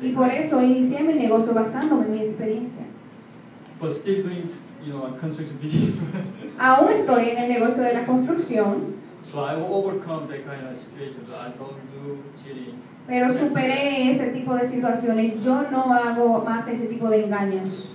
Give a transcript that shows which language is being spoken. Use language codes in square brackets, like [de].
[es] Y por eso inicié mi negocio basándome en mi experiencia. [en] But still doing, a construction business. [es] Aún estoy en el negocio de la construcción. [en] So I overcome that kind of situation. So I don't do cheating. [es] Pero superé ese tipo de situaciones. Yo no hago más ese tipo de engaños.